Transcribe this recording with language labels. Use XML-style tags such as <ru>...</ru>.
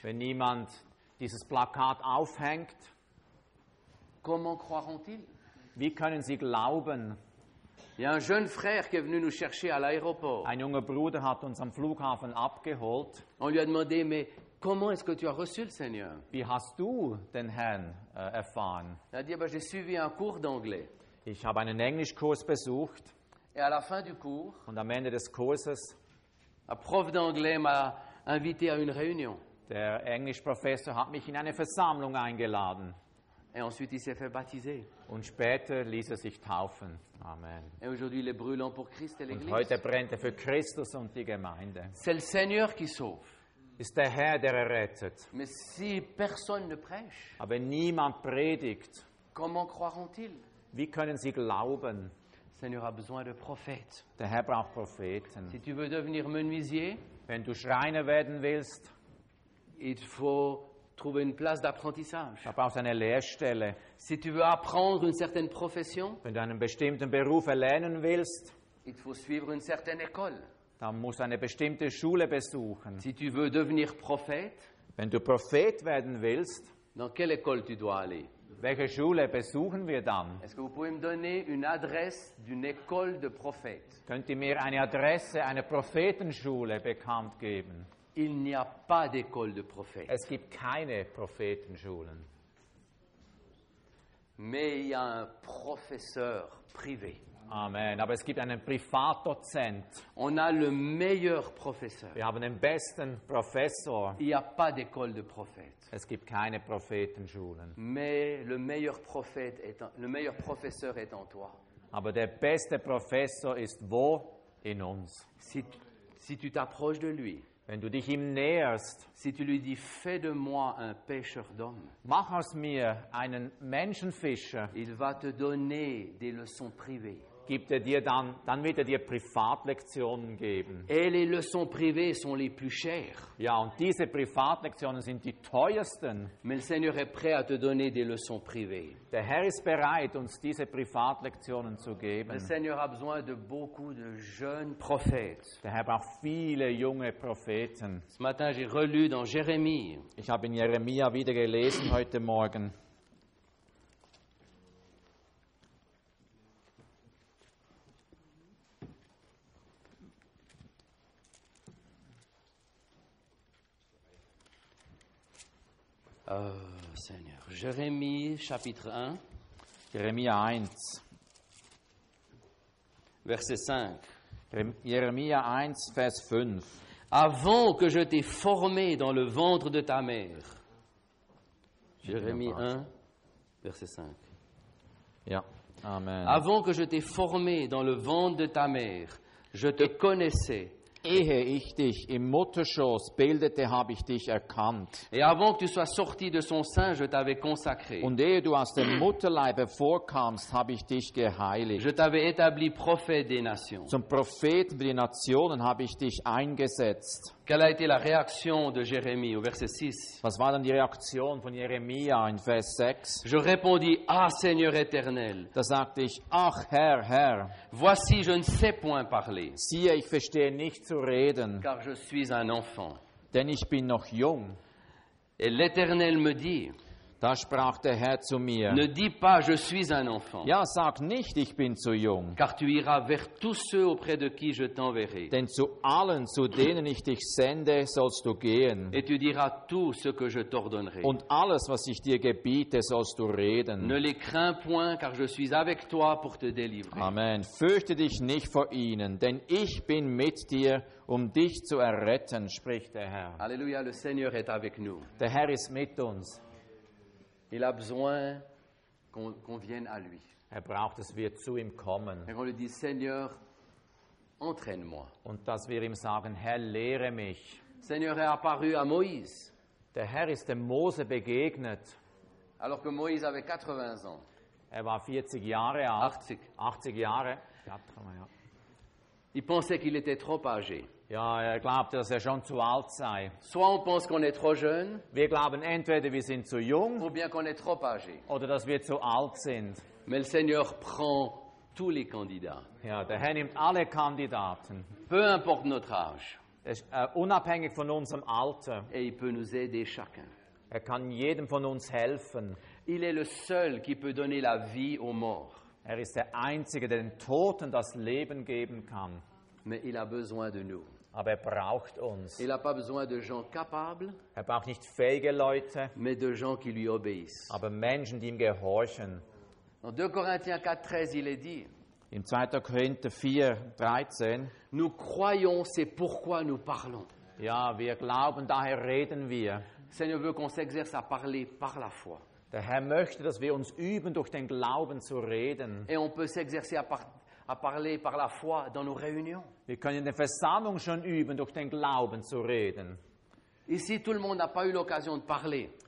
<de>wenn niemand dieses Plakat aufhängt,</de> <fr>comment croiront-ils?</fr> <de>Wie können sie glauben?</de> <fr>Il y a un jeune frère qui est venu nous chercher à l'aéroport.</fr> <de>Ein junger Bruder hat uns am Flughafen abgeholt.</de> <fr>On lui a demandé, mais comment est-ce que tu as reçu le Seigneur?</fr> <de>Wie hast du den Herrn erfahren?</de> <fr>Il a dit, bah, j'ai suivi un cours d'anglais.</fr> <de>Ich habe einen Englischkurs besucht.</de> <fr>Et à la fin du cours,</fr> <de>und am Ende des Kurses,</de> <fr>un prof d'anglais m'a invité à une réunion.</fr> <de>Der Englischprofessor hat mich in eine Versammlung eingeladen.</de> <fr>Et ensuite, il s'est fait baptiser.</fr> <de>Und später ließ er sich taufen. Amen.</de> <fr>Et aujourd'hui, il est brûlant pour Christ et l'Église.</fr> <de>Und heute brennt er für Christus und die Gemeinde.</de> <fr>C'est le Seigneur qui sauve.</fr> <de>Ist der Herr, der errettet.</de> <fr>Mais si personne ne prêche,</fr> <de>aber niemand predigt,</de> <fr>comment croiront-ils?</fr> <de>Wie können sie glauben?</de> <fr>Seigneur a besoin de prophètes.</fr> <de>Der Herr braucht Propheten.</de> <fr>Si tu veux devenir menuisier,</fr> <de>wenn du Schreiner werden willst,</de> <fr>il faut trouver une place d'apprentissage.</fr> <de>Da brauchst du eine Lehrstelle.</de> <fr>Si tu veux apprendre une certaine profession,</fr> <de>wenn du einen bestimmten Beruf erlernen willst,</de> <fr>il faut suivre une certaine école.</fr> <de>Dann musst du eine bestimmte Schule besuchen.</de> <fr>Si tu veux devenir prophète,</fr> <de>wenn du Prophet werden willst,</de> <fr>dans quelle école tu dois aller?</fr> <de>Welche Schule besuchen wir dann?</de> <fr>Est-ce que vous pouvez me donner une adresse d'une école de prophètes?</fr> <de>Könnt ihr mir eine Adresse einer Prophetenschule bekannt geben?</de> <fr>Il n'y a pas d'école de prophètes.</fr> <de>Es gibt keine Prophetenschulen.</de> <fr>Mais il y a un professeur privé. Amen.</fr> <de>Aber es gibt einen Privatdozent.</de> <fr>On a le meilleur professeur.</fr> <de>Wir haben den besten Professor.</de> <fr>Il y a pas d'école de prophètes.</fr> <de>Es gibt keine Prophetenschulen.</de> <fr>Mais le meilleur prophète est en, le meilleur professeur est en toi.</fr> <de>Aber der beste Professor ist wo? In uns.</de> <fr>Si tu t'approches de lui.</fr> <de>Wenn du dich ihm näherst,</de> <fr>si tu lui dis, fais de moi un pêcheur d'homme,</fr> <de>mach aus mir einen Menschenfischer,</de> <fr>il va te donner des leçons privées.</fr> <de>Gibt er dir dann wird er dir Privatlektionen geben.</de> <fr>Et les leçons privées sont les plus chères.</fr> <de>Ja, und diese Privatlektionen sind die teuersten.</de> <fr>Mais le Seigneur est prêt à te donner des leçons privées.</fr> <de>Der Herr ist bereit, uns diese Privatlektionen zu geben.</de> <fr>Le Seigneur a besoin de beaucoup de jeunes prophètes.</fr> <de>Der Herr braucht viele junge Propheten.</de> <fr>Ce matin, j'ai relu dans Jérémie.</fr> <de>Ich habe in Jeremia wieder gelesen heute Morgen.</de> <fr>Seigneur. Jérémie, chapitre 1. Jérémie 1. Verset 5.</fr> <de>Jérémie 1, vers 5.</de> <fr>Avant que je t'ai formé dans le ventre de ta mère. Jérémie 1, verset 5.</fr> <de>Ja. Amen.</de> <fr>Avant que je t'ai formé dans le ventre de ta mère, je te connaissais.</fr> <de>Ehe ich dich im Mutterschoß bildete, habe ich dich erkannt.</de> <fr>Et avant que tu sois sorti de son sein, je t'avais consacré.</fr> <de>Und ehe du aus dem Mutterleib vorkamst, habe ich dich geheiligt.</de> <fr>Je t'avais établi prophète des nations.</fr> <de>Zum Propheten der Nationen habe ich dich eingesetzt.</de> <fr>Quelle a été la réaction de Jérémie au verset 6?</fr> <de>Was war dann die Reaktion von Jeremia in Vers 6?</de> <fr>Je répondis, ah Seigneur éternel.</fr> <de>Da sagte ich, ach Herr, Herr.</de> <fr>Voici, je ne sais point parler.</fr> <de>Siehe, ich verstehe nicht zu reden.</de> <fr>Car je suis un enfant.</fr> <de>denn ich bin noch jung.</de> <fr>Et l'Éternel me dit,</fr> <de>da sprach der Herr zu mir,</de> <fr>ne dis pas, je suis un enfant.</fr> <de>Ja, sag nicht, ich bin zu jung.</de> <fr>Car tu iras vers tous ceux auprès de qui je t'enverrai.</fr> <de>Denn zu allen, zu denen ich dich sende, sollst du gehen.</de> <fr>Et tu diras tout ce que je t'ordonnerai.</fr> <de>Und alles, was ich dir gebiete, sollst du reden.</de> <fr>Ne les crains point, car je suis avec toi pour te délivrer. Amen.</fr> <de>Fürchte dich nicht vor ihnen, denn ich bin mit dir, um dich zu erretten, spricht der Herr.</de> <fr>Alleluia, le Seigneur est avec nous.</fr> <de>Der Herr ist mit uns.</de> <fr>Il a besoin qu'on vienne à lui.</fr> <de>Er braucht, dass wir zu ihm kommen.</de> <fr>Et on lui dit, Seigneur, entraîne-moi.</fr> <de>Und dass wir ihm sagen, Herr, lehre mich.</de> <fr>Seigneur est apparu à Moïse.</fr> <de>Der Herr ist dem Mose begegnet.</de> <fr>Alors que Moïse avait 80 ans.</fr> <de>Er war 40 Jahre alt.</de> <fr>80.</fr> <de>80 Jahre.</de> <fr>Il pensait qu'il était trop âgé.</fr> <de>Ja, er glaubte, dass er schon zu alt sei.</de> <fr>Soit on pense qu'on est trop jeune,</fr> <de>wir glauben entweder, wir sind zu jung,</de> <fr>ou bien qu'on est trop âgé.</fr> <de>Oder dass wir zu alt sind.</de> <fr>Mais le Seigneur prend tous les candidats.</fr> <de>Ja, der Herr nimmt alle Kandidaten.</de> <fr>Peu importe notre âge.</fr> <de>Unabhängig von unserem Alter.</de> <fr>Et il peut nous aider chacun.</fr> <de>Er kann jedem von uns helfen.</de> <fr>Il est le seul qui peut donner la vie aux morts.</fr> <de>Er ist der Einzige, der den Toten das Leben geben kann.</de> <fr>Mais il a besoin de nous.</fr> <de>Aber er braucht uns.</de> <fr>Il a pas besoin de gens capables,</fr> <de>er braucht nicht fähige Leute,</de> <fr>mais de gens qui lui obéissent.</fr> <de>Aber Menschen, die ihm gehorchen.</de> <fr>Dans 2 Corinthiens 4:13, il est dit,</fr> <de>im 2. Korinther 4:13,</de> <fr>nous croyons, c'est pourquoi nous parlons.</fr> <de>Ja, wir glauben, daher reden wir.</de> <fr>Seigneur veut qu'on s'exerce à parler par la foi.</fr> <de>Der Herr möchte, dass wir uns üben, durch den Glauben zu reden.</de> <fr>Et on peut s'exercer à parler par la foi dans nos réunions.</fr> <de>Wir können in der Versammlung schon üben, durch den Glauben zu reden.</de> <fr>Ici, tout le monde n'a pas eu l'occasion de parler.</fr>